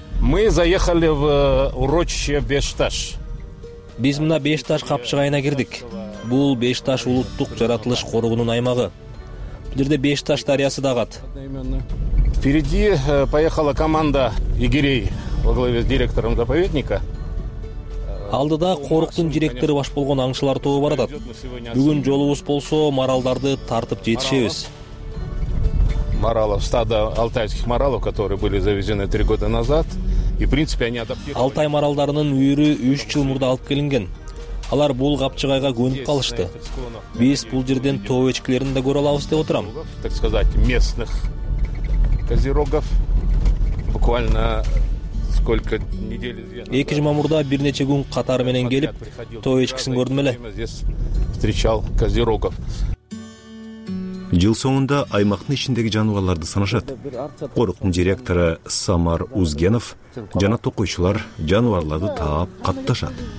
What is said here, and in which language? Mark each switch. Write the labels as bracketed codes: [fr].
[ru] Мы заехали в урочище Бешташ. [ky] Биз мына Бешташ капчыгайына кирдик. Бул Бешташ улуттук жаратылыш коругунун аймагы. Бул жерде Бешташ дарыясы да агат. [ru] Впереди поехала команда Игирей во главе с директором заповедника. [ky] Алдыда коруктун директору баш болгон аңчылар тобу баратат. Бүгүн жолубуз болсо маралдарды тартып жетишебиз. [ru] Маралов, стадо алтайских маралов, которые были завезены 3 года назад. И в принципе они адаптированы. [ky] Алтай маралдарынын үйүрү 3 жыл мурда алып келинген. Алар бул капчыгайга көнүп калышты. Биз бул жерден тоо эчкилерин да көрө алабыз деп отурам. [ru] Так сказать, местных козерогов, буквально сколько недели две. [ky] Эки мамурда бир нече күн катары менен келип, тоо эчкисин көрдүм эле. [ru] Встречал козерогов. [ky] Жыл соңунда аймактын ичиндеги жаныбарларды санашат. Коруктун директору Самар Узгенов жана токойчулар жаныбарларды таап катташат.